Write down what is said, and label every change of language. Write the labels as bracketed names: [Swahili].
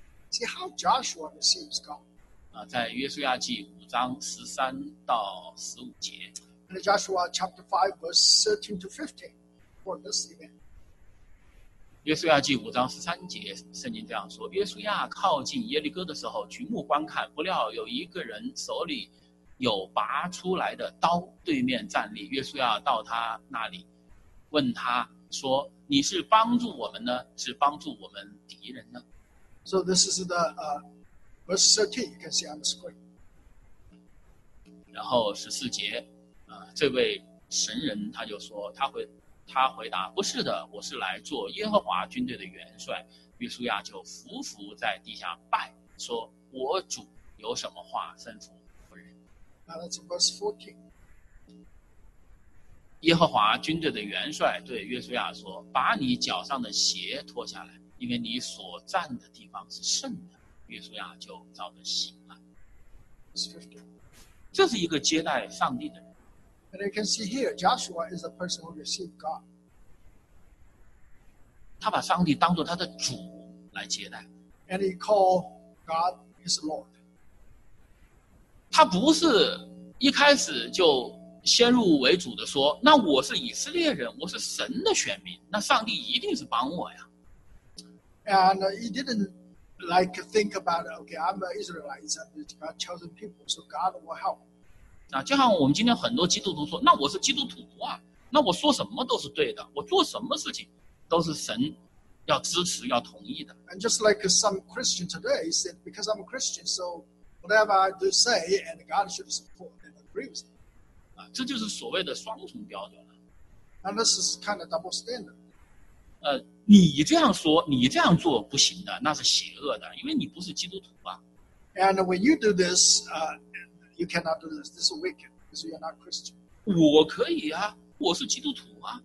[English] See how Joshua receives God. [Chinese] 在约书亚记五章十三到十五节。 [English] In Joshua chapter 5, verse 13 to 15, for this event. [Chinese] 约书亚记五章十三节，圣经这样说：约书亚靠近耶利哥的时候，举目观看，不料有一个人手里。有拔出来的刀对面站立约书亚到他那里问他说你是帮助我们呢是帮助我们敌人呢 [English] So this is the verse 13 you can see on the screen [Chinese] 然后14节这位神人他就说他回答不是的我是来做耶和华军队的元帅约书亚就伏伏在地下拜说我主有什么话吩咐仆人 [English] Now that's verse 14 [Chinese] 耶和华军队的元帅对约书亚说把你脚上的鞋脱下来因为你所站的地方是圣的约书亚就照着行了这是一个接待上帝的人 [English] And you can see here Joshua is a person who received God [Chinese] 他把上帝当作他的主来接待 [English] And he called God his Lord [Chinese] 他不是一开始就先入为主的说那我是以色列人我是神的选民那上帝一定是帮我呀 [English] And he didn't like think about okay I'm an Israelite I'm a chosen people so God will help [Chinese] 那就像我们今天很多基督徒说那我是基督徒啊那我说什么都是对的我做什么事情都是神要支持要同意的 [English] And just like some Christian today he said because I'm a Christian so whatever I do say and God should support and agree with me [Chinese] 这就是所谓的双重标准了。 [English] And this is kind of double standard. [Chinese] 你这样说，你这样做不行的，那是邪恶的，因为你不是基督徒啊。 [English] And when you do this, you cannot do this. This is wicked because you are not Christian. [Chinese] 我可以啊，我是基督徒啊。